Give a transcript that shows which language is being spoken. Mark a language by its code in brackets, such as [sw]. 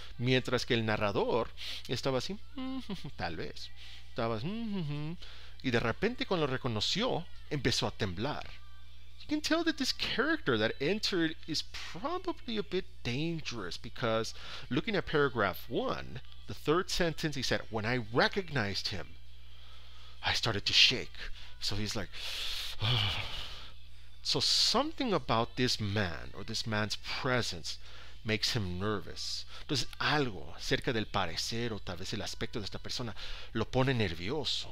[es] Mientras que el narrador estaba así, tal vez. Estaba así, y de repente cuando lo reconoció, empezó a temblar. [en] You can tell that this character that entered is probably a bit dangerous because looking at paragraph one, the third sentence, he said, when I recognized him, I started to shake. So he's like, So something about this man or this man's presence makes him nervous. [es] Entonces, algo cerca del parecer o tal vez el aspecto de esta persona lo pone nervioso.